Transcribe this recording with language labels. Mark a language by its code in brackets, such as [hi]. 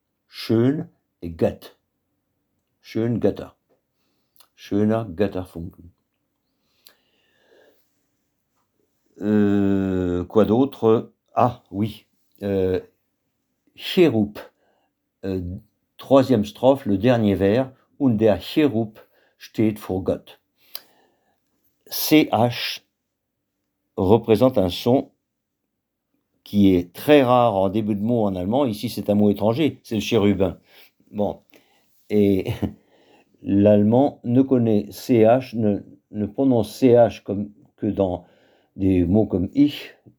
[de] Schön et Gött. Schön Götter. Schöner Götterfunken. [fr] Quoi d'autre? Ah oui. Cherub. Troisième strophe, le dernier vers. [de] Und der Cherub steht vor Gott. [fr] CH représente un son qui est très rare en début de mot en allemand. Ici, c'est un mot étranger, c'est le chérubin. Bon, et l'allemand ne connaît CH, ne prononce CH comme que dans des mots comme ich.